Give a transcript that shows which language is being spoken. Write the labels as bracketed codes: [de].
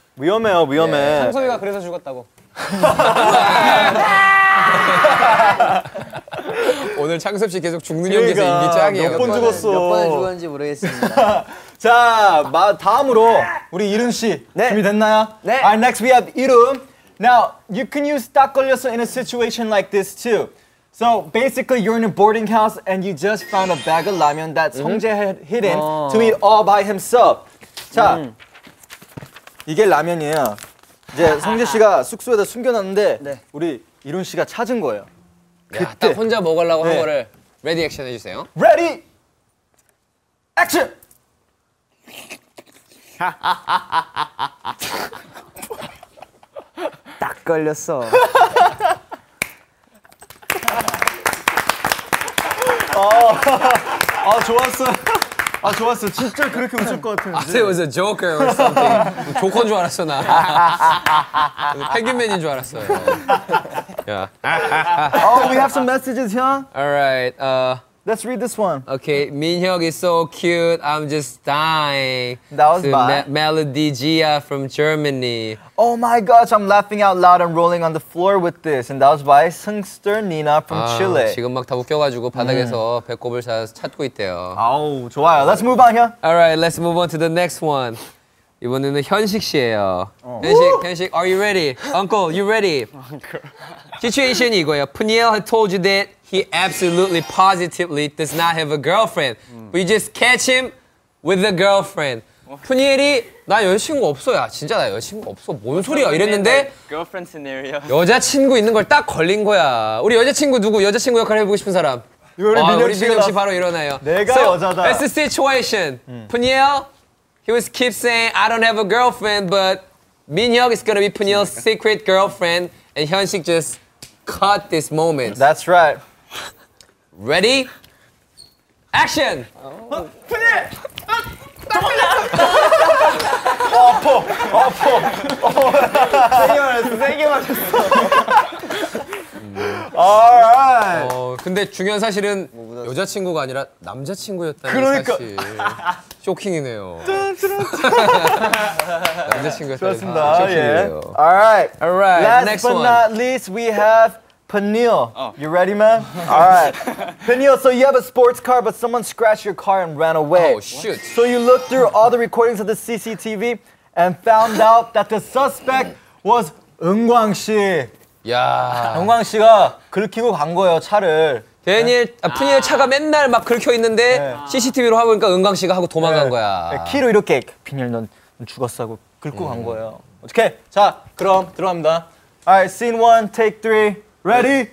[ko] 위험해요, 위험해. 상섭이가 그래서 죽었다고. 오늘 창섭 씨 계속 죽는 연기에서 그러니까, 인기 짱이에요. 몇 번 죽었어. 몇 번 죽었는지 모르겠습니다. 자, 다음으로 우리 이름 씨 네. 준비됐나요? 네. [en] Alright, next we have 이름. Now, you can use [ko] 딱 걸렸어 [en] in a situation like this too. So basically, you're in a boarding house and you just found a bag of 라면 that 성재 had hidden to eat all by himself. [ko] 자, 이게 라면이에요. 이제 성재 씨가 숙소에다 숨겨놨는데 네. 우리 이룬 씨가 찾은 거예요. 야, 딱 혼자 먹으려고 네. 한 거를 [en] 레디 액션 [ko] 해주세요. [en] 레디 액션! [ko] 딱 걸렸어. 아 좋았어. 아 좋았어. 진짜 그렇게 웃을 것 같은데. [en] I thought it was a joker or something. [ko] 조커인 줄 알았어 나. 펭귄맨인 줄 알았어. [en] Yeah. Oh, we have some messages, huh? All right. Let's read this one. Okay, Minhyuk is so cute. I'm just dying. That was bad. Melody Gia from Germany. Oh my gosh, I'm laughing out loud and rolling on the floor with this. And that was by Sungster Nina from Chile. [ko] 지금 막 다 웃겨가지고 바닥에서 배꼽을 찾고 있대요. 아우 좋아요. [en] Let's move on, huh? All right, let's move on to the next one. [ko] 이번에는 현식 씨예요. [en] 현식, are you ready? Uncle, you ready? Situation [ko] 이거예요. [en] Puniel had told you that he absolutely positively does not have a girlfriend. But you just catch him with a girlfriend. [ko] Puniel이 나 여자친구 없어. 야, 진짜 나 여자친구 없어. 뭔 소리야? 이랬는데 [en] girlfriend scenario. [ko] 여자친구 있는 걸 딱 걸린 거야. 우리 여자친구 누구? 여자친구 역할 해보고 싶은 사람? 우리 민혁 씨 바로 일어나요. 내가 [en] so, [ko] 여자다. [en] That's the situation. Puniel, he was keep saying, I don't have a girlfriend, but Minhyuk is gonna be Puniel's secret girlfriend. And Hyunsik just caught this moment. That's right. Ready? Action! Puniel! Oh, oh, oh, oh, oh, oh, oh, oh, oh, oh, oh, oh, Alright. 어, [ko] 근데 중요한 사실은 여자친구가 아니라 남자친구였다는 그러니까. 사실. 쇼킹이네요. 남자친구였다는 사실. 좋습니다. 쇼킹이네요. [en] Yeah. Alright. Alright. Last but not least, we have Peniel. You ready, man? Alright. Peniel, so you have a sports car, but someone scratched your car and ran away. Oh, shoot. So you looked through all the recordings of the CCTV and found out that the suspect was 은광 씨. [ko] 야, 은광 씨가 긁히고 간 거예요 차를. 데니엘, 아, 푸니엘 차가 맨날 막 긁혀있는데 CCTV로 하고 보니까 은광 씨가 하고 도망간 거야. 키로 이렇게 비닐 넌 죽었어 하고 긁고 간 거예요. 어떻게? 자, 그럼 들어갑니다. [en] Alright, scene one, take three. Ready?